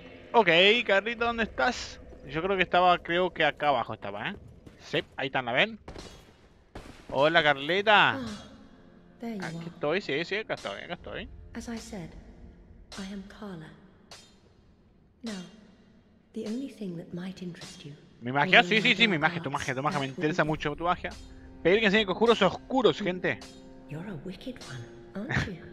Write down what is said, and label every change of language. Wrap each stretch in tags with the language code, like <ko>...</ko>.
<es>Ok, Carlita, ¿dónde estás? Yo creo que estaba, creo que acá abajo estaba, ¿eh? Sí, ahí están, ¿la ven? Hola, Carlita. Aquí estoy, sí, acá estoy, acá estoy.</es> <en>As I said, I am Carla. Now, the only thing that might interest you.</en> <es>¿Mi magia? Sí, mi magia, tu magia, me interesa mucho tu magia. Pedir que enseñe conjuros oscuros, gente.</es> <en>You're a wicked one, aren't you?</en>